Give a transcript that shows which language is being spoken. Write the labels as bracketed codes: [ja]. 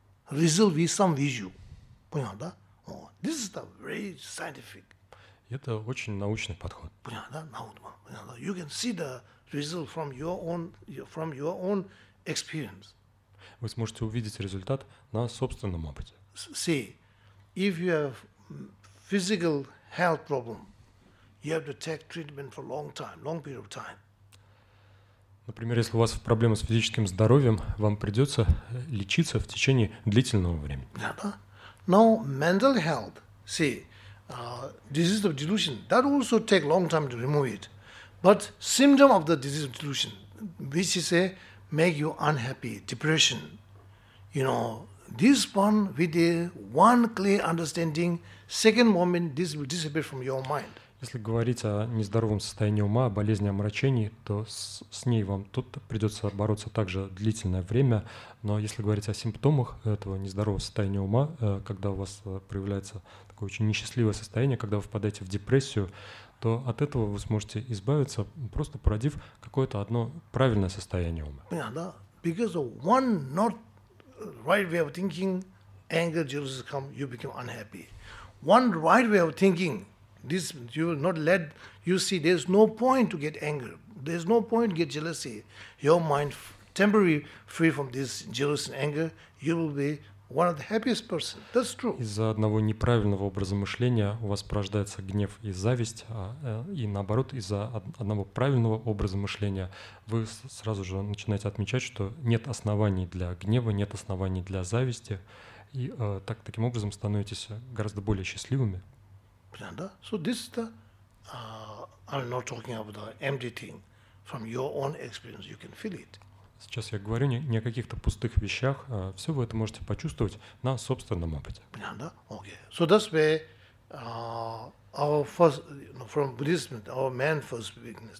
[ru] Результат вы сам вижу. Понял, да? [en] This is the very scientific. [ru] Это очень научный подход. Понял, да? Понял, да? [en] You can see the result from your own experience. [ru] Вы сможете увидеть результат на собственном опыте. [en] See, if you have physical health problem, you have to take treatment for long time, long period of time. [ru] Например, если у вас проблемы с физическим здоровьем, вам придется лечиться в течение длительного времени. [en] Да. Now, mental health, see, disease of delusion, that also take long time to remove it. But symptom of the disease of delusion, which is a make you unhappy, depression. You know, this one with a one clear understanding, second moment, this will disappear from your mind. [ru] Если говорить о нездоровом состоянии ума, о болезни омрачений, то с ней вам тут придется бороться также длительное время. Но если говорить о симптомах этого нездорового состояния ума, когда у вас проявляется такое очень несчастливое состояние, когда вы впадаете в депрессию, то от этого вы сможете избавиться, просто породив какое-то одно правильное состояние ума. Понятно, да? [en] Because of one not right way of thinking, anger, jealousy come, you become unhappy. One right way of thinking, this you will not let, you see, there's no point to get anger. There's no point to get jealousy. Your mind temporary free from this jealousy and anger, you will be one of the happiest person. That's true. [ru] Из-за одного неправильного образа мышления у вас порождается гнев и зависть, и наоборот, из-за одного правильного образа мышления вы сразу же начинаете отмечать, что нет оснований для гнева, нет оснований для зависти, и так таким образом становитесь гораздо более счастливыми. [en] So this is the I'm not talking about the empty thing from your own experience. You can feel it. [ru] Сейчас я говорю не о каких-то пустых вещах. Все вы это можете почувствовать на собственном опыте. Понятно? Okay. [en] So that's where our first, you know, from Buddhism, our man first weakness.